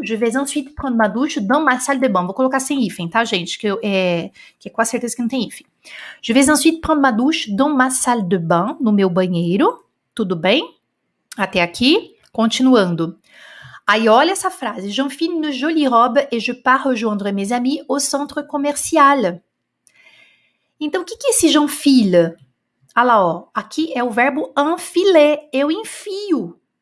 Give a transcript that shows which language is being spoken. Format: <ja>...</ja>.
<fr>Je vais ensuite prendre ma douche dans ma salle de bain.</fr> <pt>Vou colocar sem hífen, tá, gente? Que é com a certeza que não tem hífen.</pt> <fr>Je vais ensuite prendre ma douche dans ma salle de bain,</fr> <pt>no meu banheiro. Tudo bem? Até aqui. Continuando. Aí, olha essa frase.</pt> <fr>J'enfile une jolie robe et je pars rejoindre mes amis au centre commercial.</fr> <pt>Então, o que que é esse j'enfile? Olha lá, ó. Aqui é o verbo enfiler. Eu enfio.</pt>